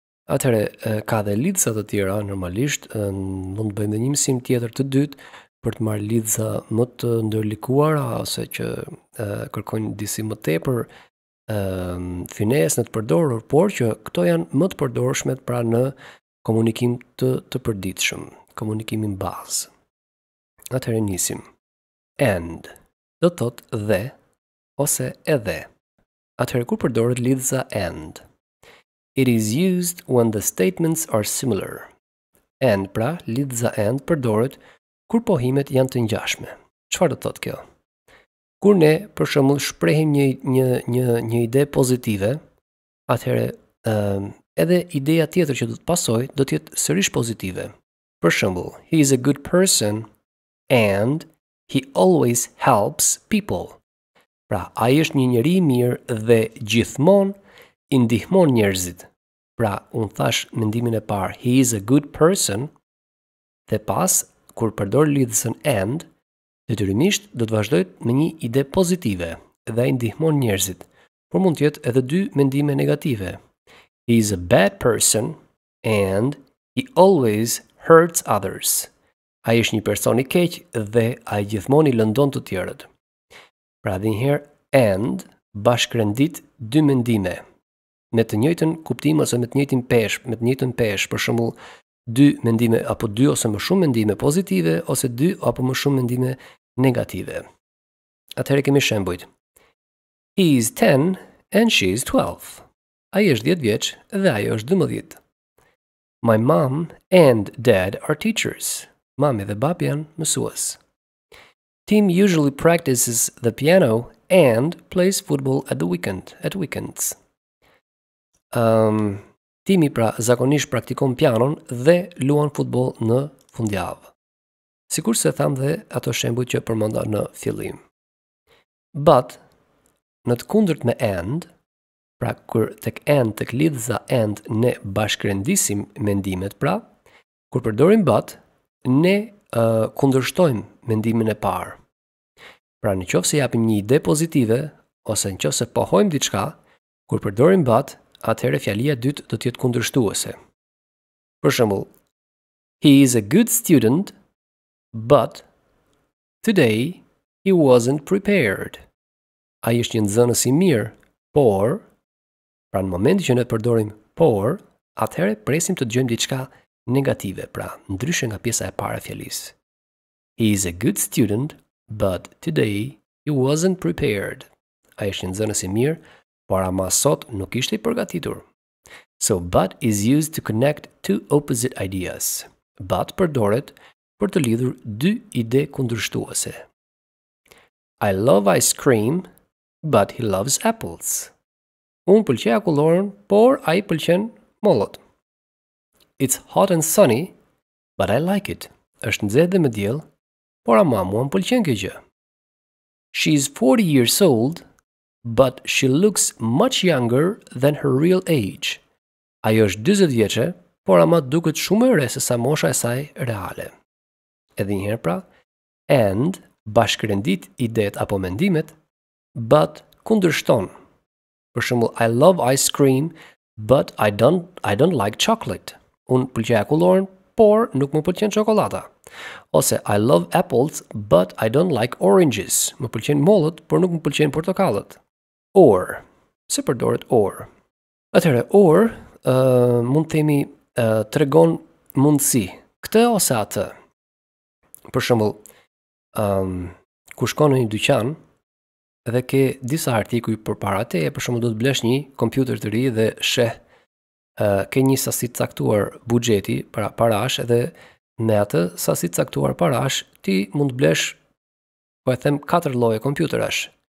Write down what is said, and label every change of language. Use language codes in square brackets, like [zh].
[sq] Atëre, ka dhe lidhësat të tjera, normalisht, mund të bëjmë dhe një mësim tjetër të dytë për të marrë lidhësa më të ndërlikuara, ose që kërkojnë disi më tepër finesë në të përdorur, por që këto janë më të përdorshmet pra në komunikim të përditshëm, komunikimin bazë. Atëre, nisim. And, do të thotë dhe, ose edhe. Atëre, kur përdoret lidhësa and? [en] It is used when the statements are similar. [sq] And, pra, lidhza and përdoret kur pohimet janë të ngjashme. Çfarë do të thotë kjo? Kur ne, për shembull, shprehim një ide pozitive, atëherë edhe ideja tjetër që do të pasojë do të jetë sërish pozitive. Për shembull, [en] he is a good person and he always helps people. [sq] Pra, ai është një njeri I mirë dhe gjithmonë I ndihmon njerëzit. Pra, unë thash mendimin e parë, [en] he is a good person, [sq] dhe pas, kur përdor lidhësën and, detyrimisht do të vazhdojt me një ide pozitive dhe I ndihmon njerëzit, por mund tjetë edhe dy mendime negative. [en] He is a bad person and he always hurts others. [sq] Ai është një person I keq dhe ai gjithmonë I lëndon të tjerët. Pra, dhe njëherë, and bashkërendit dy mendime. Me të njëjtën kuptim ose me të njëjtën peshë, për shembull, dy mendime apo dy ose më shumë mendime pozitive ose dy apo më shumë mendime negative. Atëherë kemi shembujt. [en] He is 10 and she is 12. [sq] Ai është 10 vjeç dhe ajo është 12. [en] My mom and dad are teachers. [sq] Mami dhe babi janë mësues. [en] Tim usually practices the piano and plays football at weekends. [sq] Timi pra zakonisht praktikon pianon dhe luan futbol në fundjavë. Sikur se tham dhe ato shembuj që përmenda në fillim. But, në të kundërt me and, pra kur tek and, tek lidhza and, ne bashkërendisim mendimet pra, kur përdorim but, ne kundërshtojmë mendimin e parë. Pra në qofë se japim një ide pozitive, ose në qofë se pohojmë diçka, kur përdorim but, atëherë fjalia dytë do të jetë kundërshtuese. Për shembull, [en] he is a good student, but today he wasn't prepared. [sq] Ai është një nxënës I mirë, por pra në momentin që ne përdorim por, atëherë presim të dëgjojmë diçka negative, pra ndryshe nga pjesa e parë e fjalisë. [en] He is a good student, but today he wasn't prepared. [sq] Ai është një nxënës I mirë, por ama sot nuk ishte I përgatitur. [en] So, but is used to connect two opposite ideas. [sq] But përdoret për të lidhur dy ide kundërshtuese. [en] I love ice cream, but he loves apples. [sq] Unë pëlqej akulloren, por ai pëlqen mollët. [en] It's hot and sunny, but I like it. [sq] Është nxehtë dhe me diell, por ama mua m'pëlqen kjo gjë. [en] She is 40 years old, but she looks much younger than her real age. [sq] Ajo është 40 vjeçë, por ama duket shumë e re se sa mosha e saj reale. Edhe një herë pra, and bashkërendit idet apo mendimet, but kundërshton. Për shembull, [en] I love ice cream, but I don't like chocolate. [sq] Unë pëlqej akulloren, por nuk më pëlqen çokolada. Ose [en] I love apples, but I don't like oranges. [sq] Më pëlqen mollët, por nuk më pëlqen portokallët. Or, se përdoret or. Atëherë, or, mund themi, tregon mundësi, këtë ose atë. Për shembull, ku shkon në një dyqan dhe ke disa artikuj përpara teje, për shembull do të blesh një kompjuter të ri dhe sheh ke një sasi të caktuar buxheti, pra parash, edhe me atë sasi të caktuar parash, ti mund të blesh, po e them, 4 lloje kompjuterash.